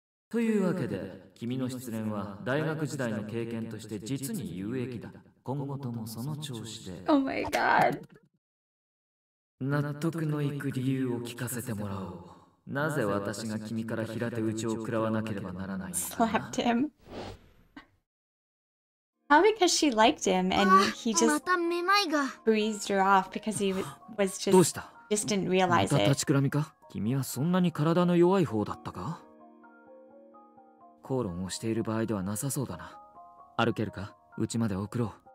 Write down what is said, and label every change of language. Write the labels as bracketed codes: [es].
[ja] というわけで、君の失恋は大学時代の経験として実に有益だ。今後ともその調子で。 [en] Oh my god。 [ja] 納得のいく理由を聞かせてもらおう。なぜ私が君から平手打ちを食らわなければならないのか。 [en] Slapped him. Probably because she liked him and he just breezed her off because he was just didn't realize it. [ja] また立ちくらみか。君はそんなに体の弱い方だったか。口論をしている場合ではなさそうだな。歩けるか。うちまで送ろう。